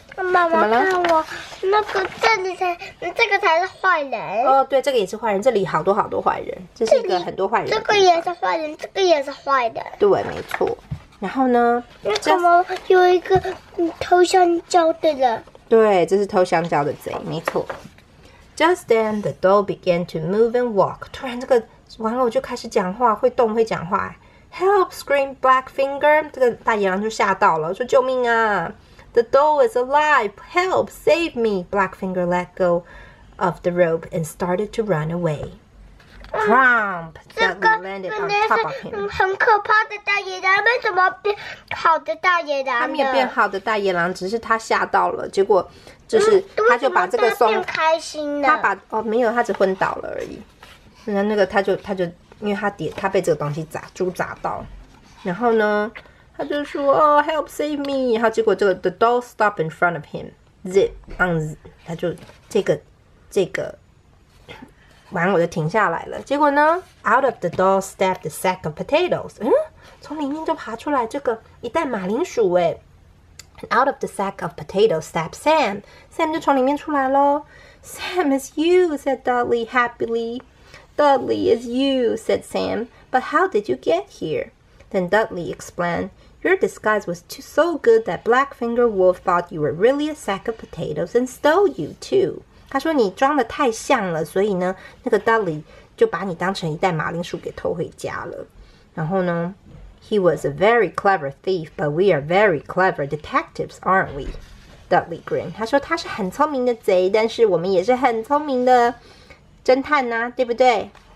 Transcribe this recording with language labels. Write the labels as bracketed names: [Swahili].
[Chinese] 妈妈看我，那个这里才，这个才是坏人。哦，对，这个也是坏人，这里好多好多坏人，这是一个很多坏人。这个也是坏人，这个也是坏的。对，没错。然后呢？那怎么有一个偷香蕉的人？对，这是偷香蕉的贼，没错。 [English] Just then, the doll began to move and walk. [Chinese] 突然这个玩偶就开始讲话，会动，会讲话。 [English] Help! Screamed Black Finger. [Chinese] 这个大野狼就吓到了，说救命啊。 [English] The doll is alive. Help! Save me! Black Finger let go of the rope and started to run away. Crump! Dudley landed on top of him. [Chinese] 很可怕的大野狼，为什么变好的大野狼呢？他没有变好的大野狼，只是他吓到了，结果就是他就把这个松，他变开心了，他把哦没有，他只昏倒了而已。然后那个他就因为他被这个东西砸到，然后呢他就说哦 [English] help save me， [Chinese] 然后结果这个 [English] the doll stopped in front of him， zip on， [Chinese] 他就这个玩偶就停下来了。结果呢 [English] out of the doll stepped a sack of potatoes， [Chinese] 从里面就爬出来这个一袋马铃薯哎。 [English] Out of the sack of potatoes stepped Sam. Sam [Chinese] 就从里面出来咯。 [English] Sam is you, said Dudley happily. Dudley is you, said Sam. But how did you get here? Then Dudley explained, Your disguise was so good that Black Finger Wolf thought you were really a sack of potatoes and stole you too. [Chinese] 他说你装得太像了，所以呢，那个 Dudley 就把你当成一袋马铃薯给偷回家了。然后呢？ [English] He was a very clever thief, but we are very clever detectives, aren't we? Dudley grinned. [Chinese] 他说他是很聪明的贼，但是我们也是很聪明的侦探啊，对不对？